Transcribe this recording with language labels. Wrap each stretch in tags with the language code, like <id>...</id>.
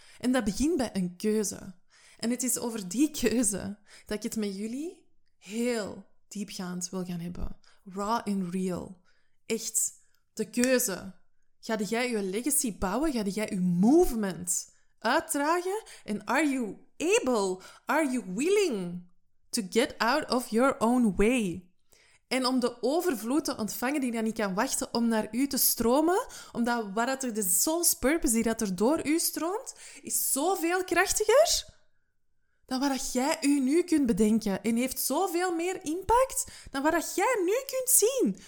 <nl>En dat begint bij een keuze. En het is over die keuze dat ik het met jullie heel diepgaand wil gaan hebben.</nl> <en>Raw and real.</en> <nl>Echt, de keuze. Ga jij je legacy bouwen? Ga jij je movement uitdragen? En</nl> <en>are you able? Are you willing to get out of your own way?</en> <nl>En om de overvloed te ontvangen die dan niet kan wachten om naar u te stromen? Omdat wat er de soul's purpose die dat er door u stroomt, is zoveel krachtiger dan wat jij u nu kunt bedenken. En heeft zoveel meer impact dan wat jij nu kunt zien.</nl>